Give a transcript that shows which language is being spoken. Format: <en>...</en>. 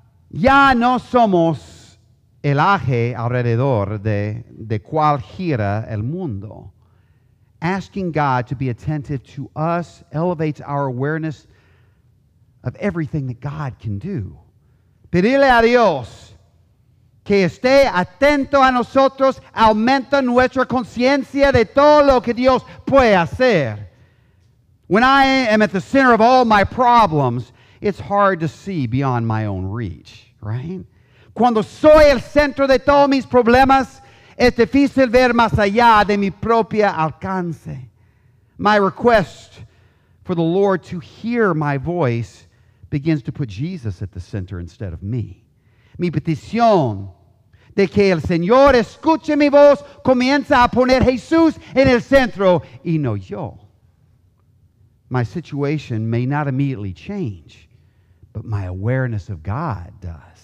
<es>Ya no somos el eje alrededor de cual gira el mundo.</es> <en>Asking God to be attentive to us elevates our awareness of everything that God can do.</en> <es>Pedirle a Dios que esté atento a nosotros aumenta nuestra conciencia de todo lo que Dios puede hacer.</es> <en>When I am at the center of all my problems, it's hard to see beyond my own reach, right?</en> <es>Cuando soy el centro de todos mis problemas, es difícil ver más allá de mi propio alcance.</es> <en>My request for the Lord to hear my voice begins to put Jesus at the center instead of me.</en> <es>Mi petición de que el Señor escuche mi voz comienza a poner Jesús en el centro y no yo.</es> <en>My situation may not immediately change, but my awareness of God does.</en>